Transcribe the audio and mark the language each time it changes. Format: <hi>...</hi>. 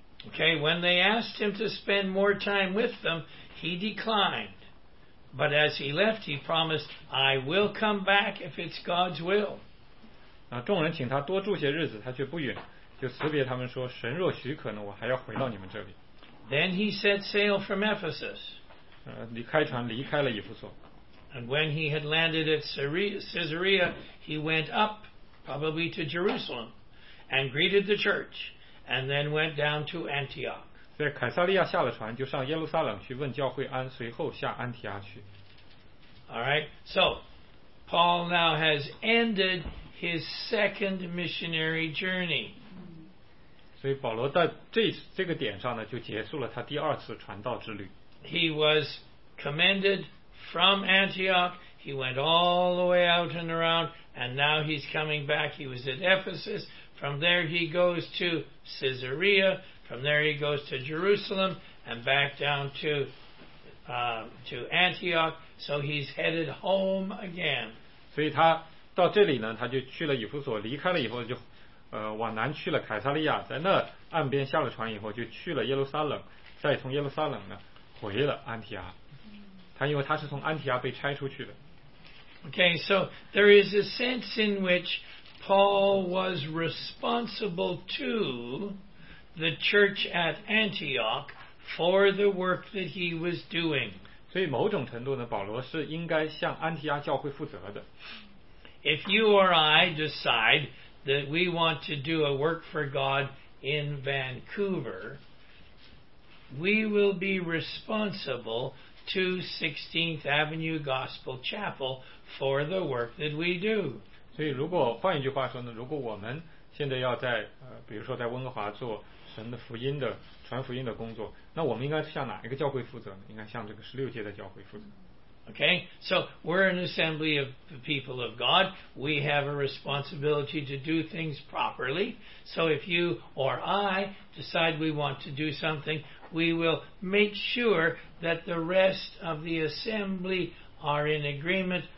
<en>Okay, when they asked him to spend more time with them, he declined. But as he left, he promised, I will come back if it's God's will.</en> <zh>那众人请他多住些日子，他却不允，就辞别他们说，神若许可呢，我还要回到你们这里。</zh> <en>Then he set sail from Ephesus.</en> <zh>离开船离开了以弗所。</zh> <en>And when he had landed at Caesarea, he went up, probably to Jerusalem, and greeted the church, and then went down to Antioch.</en> <zh>在凯撒利亚下了船，就上耶路撒冷去问教会安，随后下安提阿去。</zh> <en>All right. So Paul now has ended his second missionary journey.</en> <zh>所以保罗在这个点上呢，就结束了他第二次传道之旅。</zh> <en>He was commended from Antioch. He went all the way out and around, and now he's coming back. He was at Ephesus. From there he goes to Caesarea. From there he goes to Jerusalem and back down to Antioch. So he's headed home again.</en> <zh>所以他到这里呢，他就去了以弗所，离开了以后就往南去了凯撒利亚，在那岸边下了船以后，就去了耶路撒冷，再从耶路撒冷呢。回了安提阿，他因为他是从安提阿被拆出去的。</zh> <en>Okay, so there is a sense in which Paul was responsible to the church at Antioch for the work that he was doing.</en> <zh>所以某种程度呢，保罗是应该向安提阿教会负责的。</zh> <en>If you or I decide that we want to do a work for God in Vancouver, we will be responsible to 16th Avenue Gospel Chapel for the work that we do.</en> <zh>所以如果换一句话说呢，如果我们现在要在比如说在温哥华做神的福音的传福音的工作，那我们应该向哪一个教会负责呢？应该向这个16届的教会负责。</zh> <en>Okay, so we're an assembly of the people of God. We have a responsibility to do things properly. So if you or I decide we want to do something, we will make sure that the rest of the assembly are in agreement.</en>